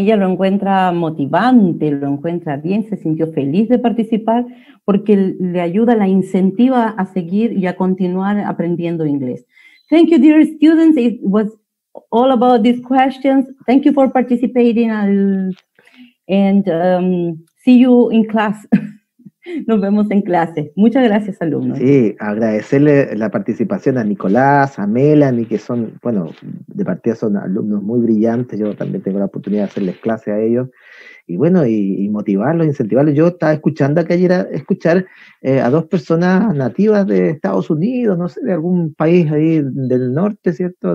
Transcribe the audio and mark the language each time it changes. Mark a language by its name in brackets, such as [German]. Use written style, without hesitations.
[Spanish] Ella lo encuentra motivante, lo encuentra bien, se sintió feliz de participar porque le ayuda, la incentiva a seguir y a continuar aprendiendo inglés. [English] Thank you, dear students. It was all about these questions. Thank you for participating and see you in class. [Spanish] Nos vemos en clase. Muchas gracias, alumnos. Sí, agradecerle la participación a Nicolás, a Melanie, que son, bueno, de partida son alumnos muy brillantes. Yo también tengo la oportunidad de hacerles clase a ellos. Y bueno, y motivarlos, incentivarlos. Yo estaba escuchando acá ayer a dos personas nativas de Estados Unidos, no sé, de algún país ahí del norte, ¿cierto?